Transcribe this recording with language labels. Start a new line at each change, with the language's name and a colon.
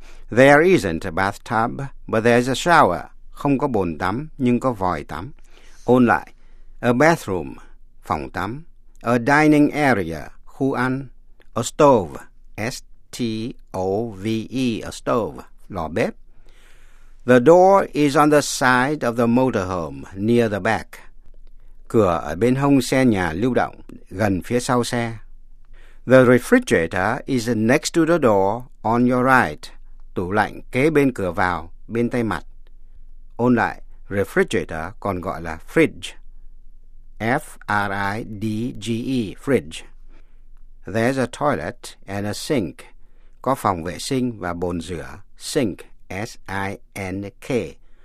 English: There isn't a bathtub, but there's a shower.
Vietnamese: Không có bồn tắm, nhưng có vòi tắm. Ôn lại, a bathroom, phòng tắm. A dining area, khu ăn. A stove, S-T
English: S-T-O-V-E, a stove, 老bếp. The door is on the side of the motorhome, near the back.
Vietnamese: Cửa ở bên hông xe nhà lưu động, gần phía sau xe.
English: The refrigerator is next to the door, on your right.
Vietnamese: Tủ lạnh kế bên cửa vào, bên tay mặt. Ôn lại, refrigerator còn gọi là fridge.
English: F-R-I-D-G-E, fridge. There's a toilet and a sink.
Vietnamese: Có phòng vệ sinh và bồn rửa. Sink, S-I-N-K.